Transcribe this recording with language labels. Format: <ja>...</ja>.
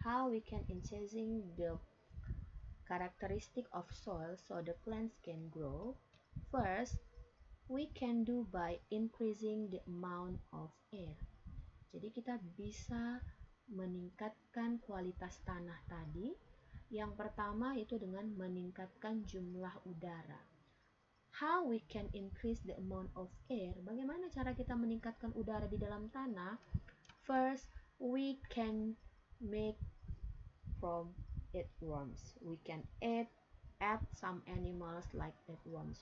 <en>How we can increasing the characteristic of soil so the plants can grow. First, we can do by increasing the amount of air.</en> <id>Jadi kita bisa meningkatkan kualitas tanah tadi. Yang pertama itu dengan meningkatkan jumlah udara.</id> <en>How we can increase the amount of air?</en> <id>Bagaimana cara kita meningkatkan udara di dalam tanah?</id> <en>First, we can make from earthworms. We can add some animals like earthworms.</en>